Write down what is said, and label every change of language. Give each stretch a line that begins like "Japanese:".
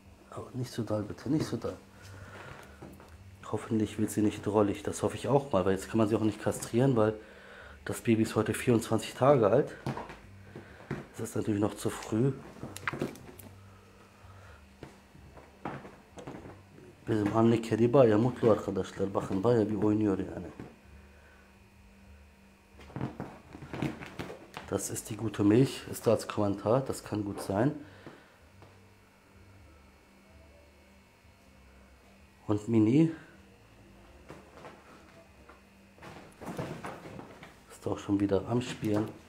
German: Aber nicht so doll bitte, nicht so doll. Hoffentlich wird sie nicht drollig. Das hoffe ich auch mal, weil jetzt kann man sie auch nicht kastrieren, weil das Baby ist heute 24 Tage alt. Das ist natürlich noch zu früh.
Turkish: Bizim anne kedi baya mutlu arkadaşlar. Bakın baya bir oynuyor yani.
German: Das ist die gute Milch. Ist da als Kommentar. Das kann gut sein. Und Mini ist auch schon wieder am Spielen.